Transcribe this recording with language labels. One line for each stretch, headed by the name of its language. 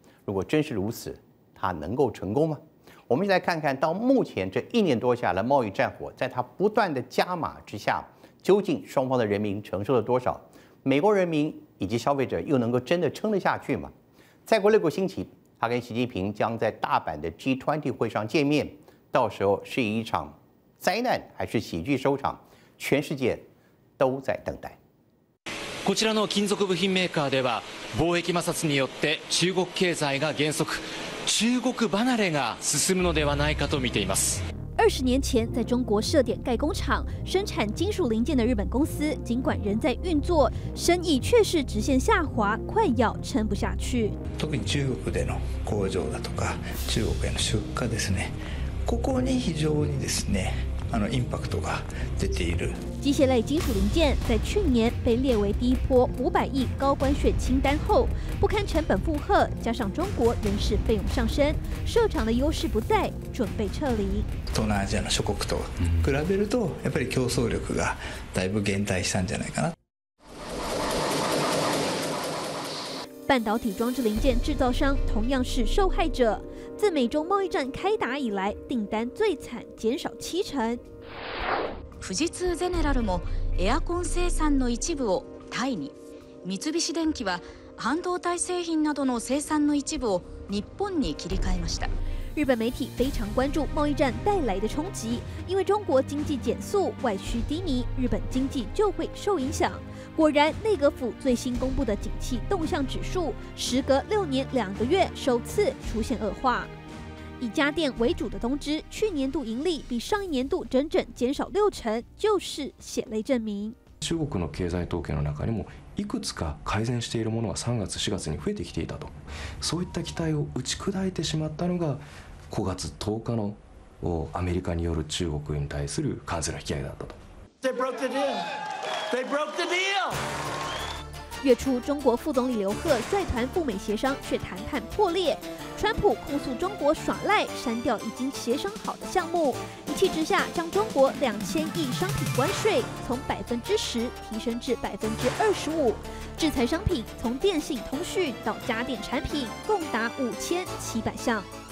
Chinese: 如果真是如此，他能够成功吗？我们来看看到目前这一年多下来贸易战火在他不断的加码之下，究竟双方的人民承受了多少，美国人民以及消费者又能够真的撑得下去吗？再过6个星期，他跟习近平将在大阪的 G20 会上见面，到时候是一场灾难还是喜剧收场，全世界都在等待。
Japanese: こちらの金属部品メーカーでは、貿易摩擦によって中国経済が減速、中国離れが進むのではないかと見ています。
Chinese: 20年前，在中国设点盖工厂、生产金属零件的日本公司，尽管仍在运作，生意却是直线下滑，快要撑不下去。
Japanese: 特に中国での工場だとか、中国への出荷ですね。ここに非常にですね。impact が出ている。
Chinese: 机械类金属零件在去年被列为第一波500亿高官选清单后，不堪成本负荷，加上中国人事费用上升，设厂的优势不在，准备撤离。
Japanese: 东南亚的諸国と比べると、やっぱり競争力がだいぶ減退したんじゃないかな。
Chinese: 半导体装置零件制造商同样是受害者，自美中贸易战开打以来，订单最惨，减少70%。
Japanese: 富士通ゼネラルもエアコン生産の一部をタイに、三菱電機は半導体製品などの生産の一部を日本に切り替えました。
Chinese: 日本媒体非常关注贸易战带来的冲击，因为中国经济减速、外需低迷，日本经济就会受影响。果然，内阁府最新公布的景气动向指数，时隔6年2个月首次出现恶化。以家电为主的东芝，去年度盈利比上一年度整整减少60%，就是血泪证明。
Japanese: 中国の経済統計の中にもいくつか改善しているものは3月4月に増えてきていたと、そういった期待を打ち砕いてしまったのが5月10日のアメリカによる中国に対する関税の引き上げだったと。
Chinese: 月初，中国副总理刘鹤率团赴美协商，却谈判破裂。川普控诉中国耍赖，删掉已经协商好的项目，一气之下将中国2000亿商品关税从10%提升至25%，制裁商品从电信通讯到家电产品共达5700项。